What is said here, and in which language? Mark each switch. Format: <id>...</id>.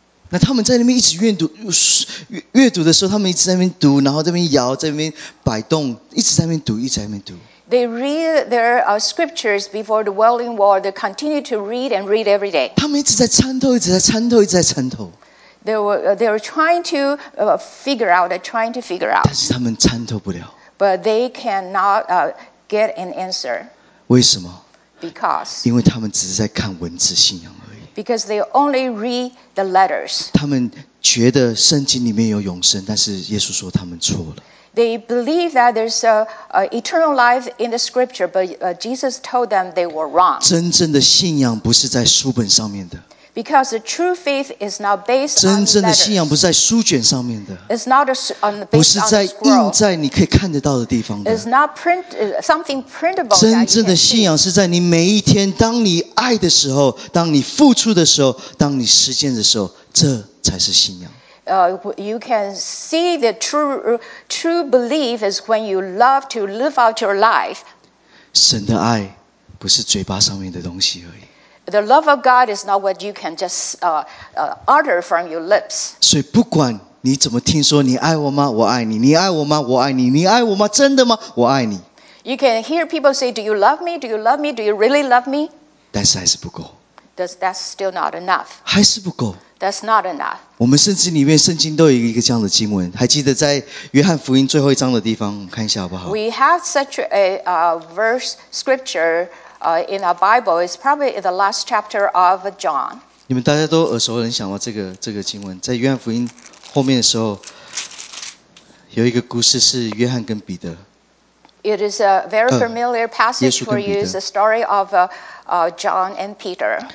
<zh>那他们在那边一直阅读的时候，他们一直在那边读，然后在那边摇，在那边摆动，一直在那边读，一直在那边读。</zh> <en>They read their scriptures before the Wailing Wall. They continue to read and read every day.</en> <zh>他们一直在参透，一直在参透，一直在参透。</zh> <en>They were trying to figure out. Trying to figure out.</en> <zh>但是他们参透不了。</zh> <en>But they cannot get an answer.</en> <zh>为什么</zh> <en>？Because.</en> <zh>因为他们只是在看文字信仰而已。</zh> <en>Because they only read the letters.</en> <zh>他们觉得圣经里面有永生，但是耶稣说他们错了。</zh> <en>They believe that there's a eternal life in the scripture, but Jesus told them they were wrong.</en> <zh>真正的信仰不是在书本上面的。</zh> <en>Because the true faith is not based on letters.</en> <zh>真正的信仰不是在书卷上面的。</zh> <en>It's not based on the scroll.</en> <zh>不是在印在你可以看得到的地方的。</zh> <en>It's not something printable.</en> <zh>真正的信仰是在你每一天，当你爱的时候，当你付出的时候，当你实践的时候，这才是信仰。</zh> <en>You can see the true belief is when you love to live out your life.</en> <zh>神的爱不是嘴巴上面的东西而已。</zh> <en>The love of God is not what you can just utter from your lips.</en> <zh>所以不管你怎么听说，你爱我吗？我爱你。你爱我吗？我爱你。你爱我吗？真的吗？我爱你。</zh> <en>You can hear people say, "Do you love me? Do you love me? Do you really love me?"</en> <zh>但是还是不够。</zh> <en>That's still not enough.</en> <zh>还是不够。</zh> <en>That's not enough.</en> <zh>我们圣经里面圣经都有一个这样的经文，还记得在约翰福音最后一章的地方，看一下好不好</zh> <en>？We have such a verse scripture in our Bible. It's probably in the last chapter of John.</en> <zh>你们大家都耳熟能详吗？这个经文在约翰福音后面的时候，有一个故事是约翰跟彼得。</zh> <en>It is a very familiar passage for you. It's the story of John and Peter.</en>